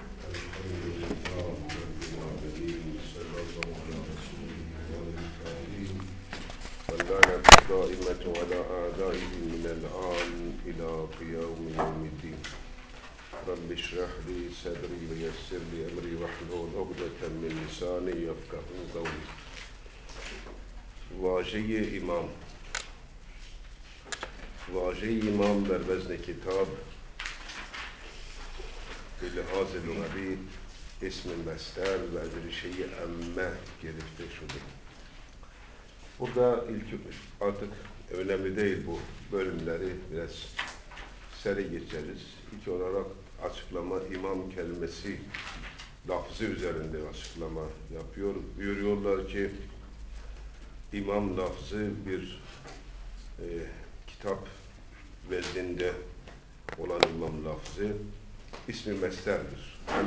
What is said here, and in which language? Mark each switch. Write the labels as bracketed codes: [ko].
[ar] الحمد لله رب العالمين، صلى الله على رسوله والمكارم، واللعنة الدائمة على أعدائه من الآن إلى قيام يوم الدين. رب اشرح لي صدري ويسر لي أمري واحلل عقدة من لساني يفقهوا قولي. [fa] واژه امام، واژه امام در وزن کتاب به لحاظ لغوی اسم مصدر و از ریشه امه گرفته شده. [tr] بودا artık önemli değil bu bölümleri biraz seri geçeriz. İlk olarak açıklama imam kelimesi lafzı üzerinde açıklama yapıyor. Buyuruyorlar ki İmam lafzı bir kitap vezninde olan imam lafzı ismi mesterdir.